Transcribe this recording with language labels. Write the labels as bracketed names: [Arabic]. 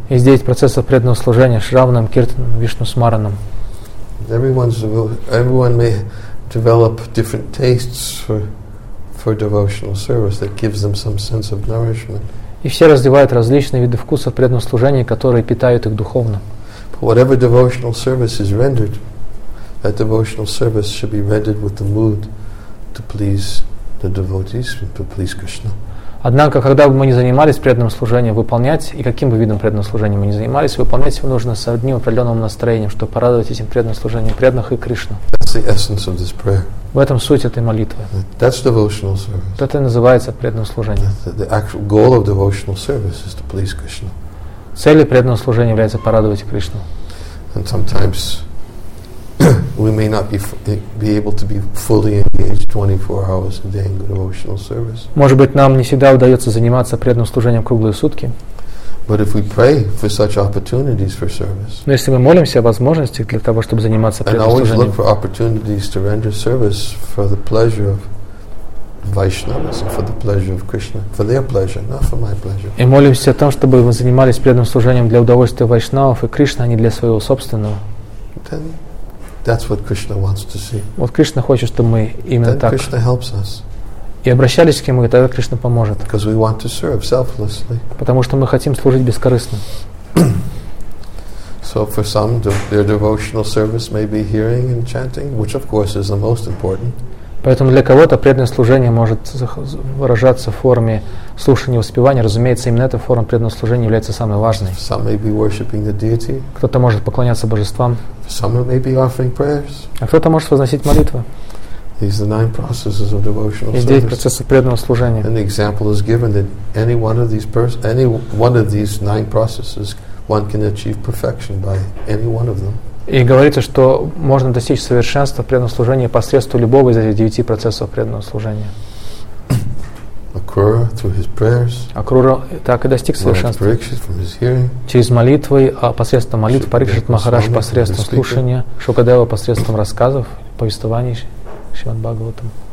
[Russian] Есть 9 процессов преданного служения: Shravanam, Kirtanam, Vishnu Smaranam. [English] Everyone may develop different tastes for devotional service that gives them some sense of nourishment. [Russian] И все развивают различные виды вкусов преданного служения, которые питают их духовно. [English] Whatever devotional service is rendered, that devotional service should be rendered with the mood to please the devotees, to please Krishna. [Russian] Однако, когда бы мы ни занимались преданным служением, выполнять, и каким бы видом преданного служения мы ни занимались, выполнять его нужно с одним определенным настроением, чтобы порадовать этим преданным служением преданных и Кришну. [English] That's the essence of this prayer. [Russian] В этом суть этой молитвы. [English] That's devotional service. [Russian] Это и называется преданное служение. [English] The actual goal of devotional service is to please Krishna. [Russian] Целью преданного служения является порадовать Кришну. [English] And sometimes we may not be able to be fully engaged 24 hours a day in devotional service. [Russian] Может быть, нам не всегда удается заниматься преданным служением круглые сутки. [English] But if we pray for such opportunities for service. [Russian] Но если мы молимся о возможностях для того, чтобы заниматься преданным служением. [English] And always look for opportunities to render service for the pleasure of Vaishnavas, for the pleasure of Krishna, for their pleasure, not for my pleasure. [Russian] И молимся о том, чтобы мы занимались преданным служением для удовольствия вайшнавов и Кришны, а не для своего собственного. [English] Then that's what Krishna wants to see. [Russian] Вот Кришна хочет, чтобы мы именно [English] так. Krishna helps us. [Russian] И обращались к Нему, и тогда Кришна поможет. [English] Because we want to serve selflessly. [Russian] Потому что мы хотим служить бескорыстно. [English] So for some, their devotional service may be hearing and chanting, which of course is the most important. [Russian] Поэтому для кого-то преданное служение может выражаться в форме слушания и воспевания. Разумеется, именно эта форма преданного служения является самой важной. [English] Some may be worshiping the deity. [Russian] Кто-то может поклоняться божествам. [English] Some may be offering prayers. [Russian] А кто-то может возносить молитвы. [English] These are 9 processes of devotional service. [Russian] Есть 9 процессов преданного служения. [English] An example is given that any one of these 9 processes, one can achieve perfection by any one of them. [Russian] И говорится, что можно достичь совершенства в преданном служении посредством любого из этих 9 процессов преданного служения. [English] Akura, through his prayers, [Russian] Akura так и достиг совершенства. [English] Parikshit, from his hearing, [Russian] через молитвы, а посредством молитв Парикшит Махарадж посредством слушания, Шукадева посредством рассказов, повествований Шримад Бхагаватам.